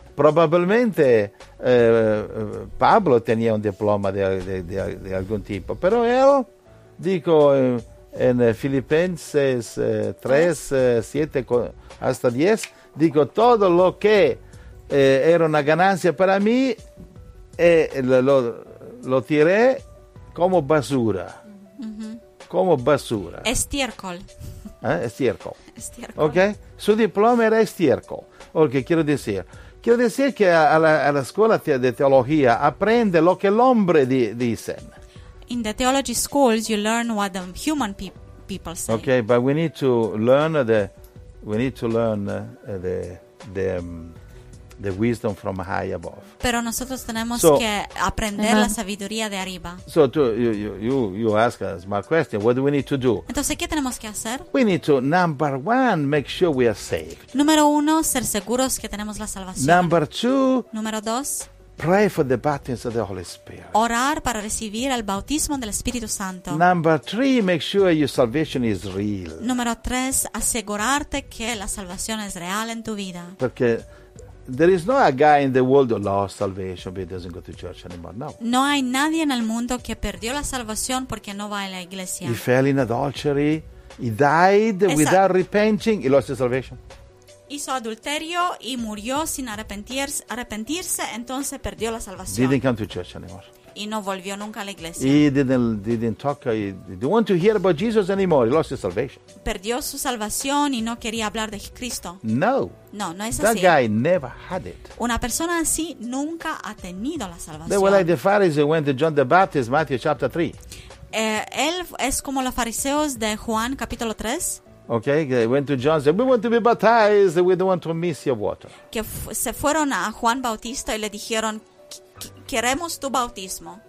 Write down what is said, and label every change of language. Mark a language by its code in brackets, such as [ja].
[es] Probablemente Pablo tenía un diploma de algún tipo, pero él dijo en Filipenses 3, 7 hasta 10, dijo todo lo que era una ganancia para mí lo tiré como basura. Mm-hmm. Como basura. Estiércol. Estiércol. Estiércol. Okay? Su diploma era estiércol. Okay, quiero decir que a la escuela de teología aprende lo que el hombre dice. [en] In the theology schools you learn what the human people say. Okay, but we need to learn the wisdom from high above. [es] Pero nosotros tenemos que aprender la sabiduría de arriba. [en] So you ask a smart question. What do we need to do? [es] Entonces, ¿qué tenemos que hacer? [en] We need to, number one, make sure we are saved. [es] Número uno, ser seguros que tenemos la salvación. [en] Number two. [es] Número dos. [en] Pray for the baptism of the Holy Spirit. [es] Orar para recibir el bautismo del Espíritu Santo. [en] Number three, make sure your salvation is real. [es] Número tres, asegurarte que la salvación es real en tu vida. [en] Porque there is no a guy in the world who lost salvation but doesn't go to church anymore. [es] No. No hay nadie en el mundo que perdió la salvación porque no va a la iglesia. [en] He fell in adultery. He died without repenting. He lost his salvation. [es] Hizo adulterio y murió sin arrepentirse, entonces perdió la salvación. [en] Didn't come to church anymore. [es] Y no volvió nunca a la iglesia. [en] He didn't talk. He didn't want to hear about Jesus anymore. He lost his salvation. [es] Perdió su salvación y no quería hablar de Cristo. No. No, no es [en] that [es] así. [en] That guy never had it. [es] Una persona así nunca ha tenido la salvación. [en] They were like the Pharisees when the John the Baptist, Matthew chapter 3. [es] Él es como los fariseos de Juan capítulo 3. [en] Okay, they went to John and said, "We want to be baptized. We don't want to miss your water." [es] Que se fueron a Juan Bautista y le dijeron, "Queremos tu bautismo."